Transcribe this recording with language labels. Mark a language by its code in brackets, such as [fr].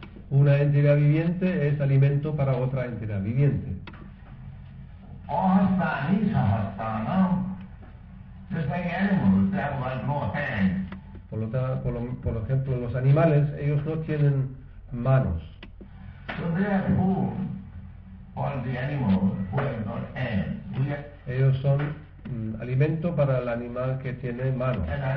[es] Una entidad viviente es alimento para otra entidad viviente. [sa] Ahastani, sahastanam. [en] Just like animals, they have no hands. [es] Por ejemplo, los animales, ellos no tienen manos. [en] So they are food for the animal who have no hands. [es] Ellos son alimento para el animal que tiene manos.